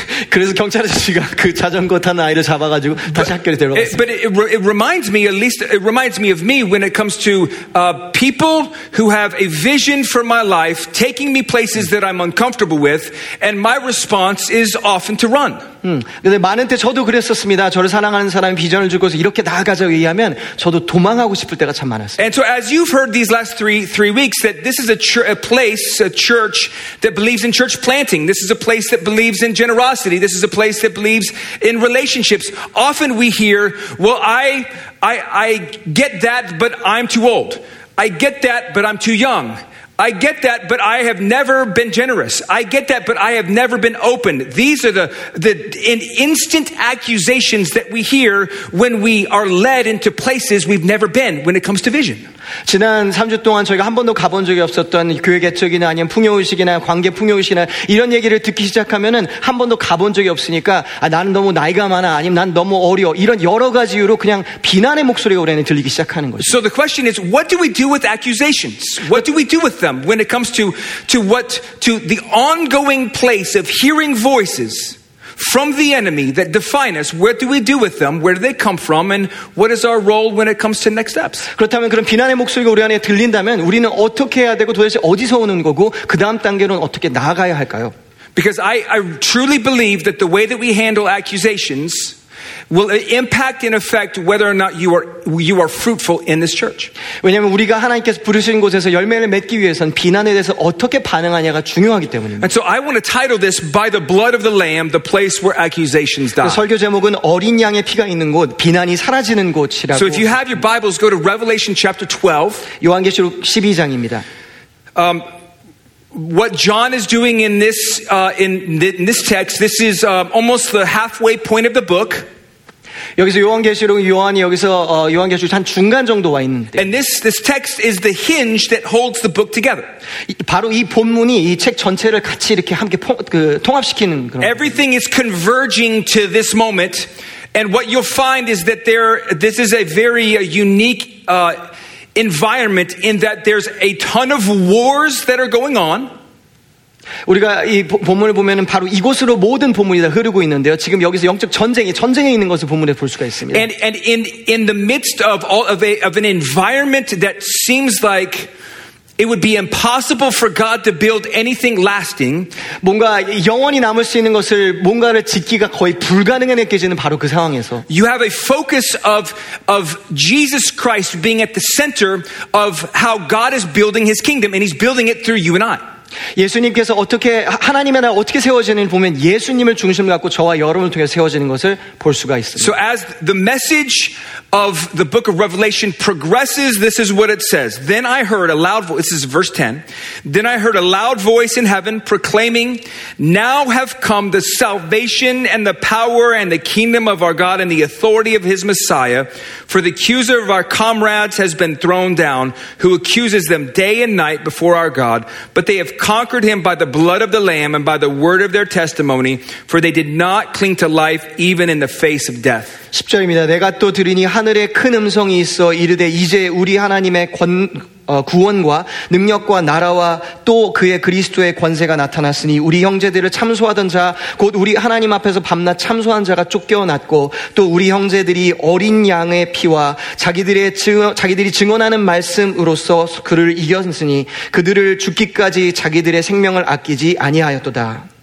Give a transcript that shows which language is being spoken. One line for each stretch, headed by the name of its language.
Korean: 그래서 경찰 아저씨가 그 자전거 탄 아이를 잡아가지고 다시 학교로 데려갔어요.
English: But it reminds me, at least it reminds me of me when it comes to people who have a vision for my life, taking me places that I'm uncomfortable with, and my response is often to run.
Korean: 근데 많은 때 저도 그랬었습니다. 저를 사랑하는 사람이 비전을 주고 이렇게 나아가자고 얘기하면 저도 도망하고 싶을 때가 참 많았어요.
English: And so as you've heard these last three weeks that this is a church that believes in church planting. This is a place that believes in generosity. This is a place that believes in relationships. Often we hear, well, I get that, but I'm too old. I get that, but I'm too young. I get that, but I have never been generous. I get that, but I have never been open. These are the instant accusations that we hear when we are led into places we've never been when it comes to vision.
Korean: 지난 3주 동안 저희가 한 번도 가본 적이 없었던 교회 개척이나 아니면 풍요의식이나 관계 풍요의식이나 이런 얘기를 듣기 시작하면은 한 번도 가본 적이 없으니까 아, 나는 너무 나이가 많아 아니면 난 너무 어려 이런 여러 가지 이유로 그냥 비난의 목소리가 올해는 들리기 시작하는 거죠.
English: So the question is, what do we do with accusations? What do we do with them when it comes to the ongoing place of hearing voices from the enemy that define us? What do we do with them? Where do they come from? And what is our role when it comes to next steps?
Korean: 그렇다면 그런 비난의 목소리가 우리 안에 들린다면 우리는 어떻게 해야 되고 도대체 어디서 오는 거고 그 다음 단계로는 어떻게 나아가야 할까요?
English: Because I truly believe that the way that we handle accusations will impact and affect whether or not you are fruitful in this church.
Korean: 왜냐하면 우리가 하나님께서 부르신 곳에서 열매를 맺기 위해선 비난에 대해서 어떻게 반응하냐가 중요하기 때문입니다.
English: And so I want to title this by the blood of the lamb, the place where accusations die.
Korean: 설교 제목은 어린 양의 피가 있는 곳, 비난이 사라지는 곳이라고.
English: So if you have your Bibles, go to Revelation chapter 12.
Korean: 요한계시록 12장입니다.
English: What John is doing in this text, this is almost the halfway point of the book.
Korean: 여기서 요한계시록 요한이 여기서 요한계시록 한 중간 정도 와 있는데.
English: And this text is the hinge that holds the book together.
Korean: 바로 이 본문이 이 책 전체를 같이 이렇게 함께 통합시키는 그런.
English: Everything is converging to this moment, and what you'll find is that this is a very unique environment in that there's a ton of wars that are going on.
Korean: 우리가 이 본문을 보면은 바로 이곳으로 모든 본문이 다 흐르고 있는데요. 지금 여기서 영적 전쟁에 있는 것을 본문에 볼 수가 있습니다.
English: And in the midst of all of an environment that seems like it would be impossible for God to build anything lasting.
Korean: 뭔가 영원히 남을 수 있는 것을 뭔가를 짓기가 거의 불가능해 느껴지는 바로 그 상황에서.
English: You have a focus of Jesus Christ being at the center of how God is building His kingdom, and He's building it through you and I.
Korean: 예수님께서 어떻게 하나님의 나라 어떻게 세워지는 보면 예수님을 중심으로 갖고 저와 여러분을 통해 세워지는 것을 볼 수가 있습니다.
English: So as the message of the book of Revelation progresses, this is what it says. Then I heard a loud voice. This is verse 10. Then I heard a loud voice in heaven proclaiming, "Now have come the salvation and the power and the kingdom of our God and the authority of His Messiah. For the accuser of our comrades has been thrown down, who accuses them day and night before our God. But they have conquered him by the blood of the Lamb and by the word of their testimony, for they did not cling to life even in the face of death."
Korean: 10절입니다. 내가 또 들으니 하늘에 큰 음성이 있어 이르되 이제 우리 하나님의 구원과 능력과 나라와 또 그의 그리스도의 권세가 나타났으니 우리 형제들을 참소하던 자 곧 우리 하나님 앞에서 밤낮 참소한 자가 쫓겨났고 또 우리 형제들이 어린 양의 피와 자기들이 증언하는 말씀으로써 그를 이겼으니 그들을 죽기까지 자기들의 생명을 아끼지 아니하였도다.